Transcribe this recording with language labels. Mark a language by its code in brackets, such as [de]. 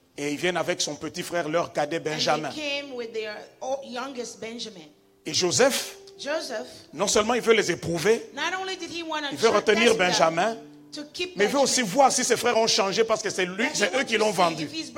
[fr] Et ils viennent avec son petit frère, leur cadet Benjamin. [en] And they came with their youngest Benjamin. [fr] Et Joseph, non seulement il veut les éprouver, [en] not only did he want to [fr] il veut retenir Benjamin, [en] to keep [fr] mais il veut aussi voir si ses frères ont changé parce que c'est lui, c'est eux qui l'ont vendu.